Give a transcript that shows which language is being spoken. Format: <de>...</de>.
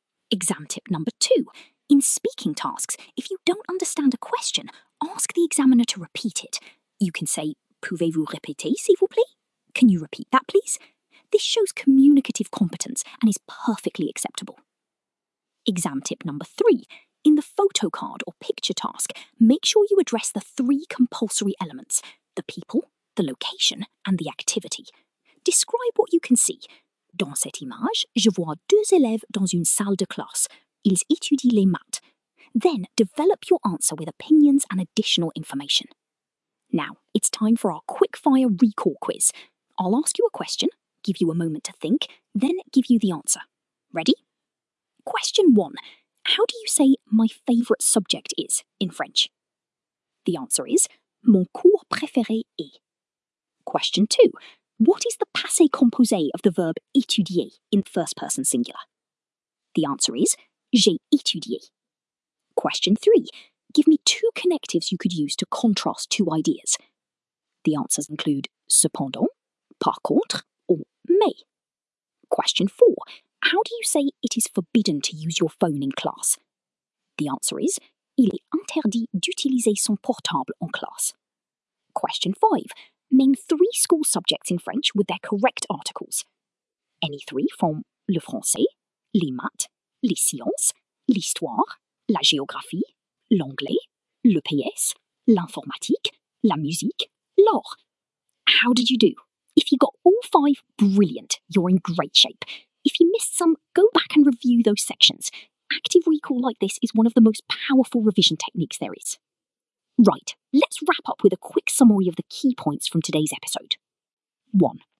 <en>Exam tip number two, in speaking tasks, if you don't understand a question, ask the examiner to repeat it. You can say,</en> <fr>pouvez-vous répéter, s'il vous plaît?</fr> <en>Can you repeat that, please? This shows communicative competence and is perfectly acceptable. Exam tip number 3. In the photo card or picture task, make sure you address the 3 compulsory elements: the people, the location, and the activity. Describe what you can see.</en> <fr>Dans cette image, je vois 2 élèves dans une salle de classe. Ils étudient les maths.</fr> <en>Then develop your answer with opinions and additional information. Now, it's time for our quick-fire recall quiz. I'll ask you a question, give you a moment to think, then give you the answer. Ready? Question 1. How do you say my favourite subject is in French? The answer is</en> <fr>mon cours préféré est.</fr> <en>Question 2. What is the passé composé of the verb étudier in first person singular? The answer is</en> <fr>j'ai étudié.</fr> <en>Question 3. Give me 2 connectives you could use to contrast 2 ideas. The answers include cependant, par contre, or mais. Question 4. How do you say it is forbidden to use your phone in class? The answer is</en> <fr>il est interdit d'utiliser son portable en classe.</fr> <en>Question 5. Name 3 school subjects in French with their correct articles. Any 3 from le français, les maths, les sciences, l'histoire, la géographie, l'anglais, le PS, l'informatique, la musique, l'art. How did you do? If you got all 5, brilliant, you're in great shape. If you missed some, go back and review those sections. Active recall like this is one of the most powerful revision techniques there is. Right, let's wrap up with a quick summary of the key points from today's episode. 1.</en>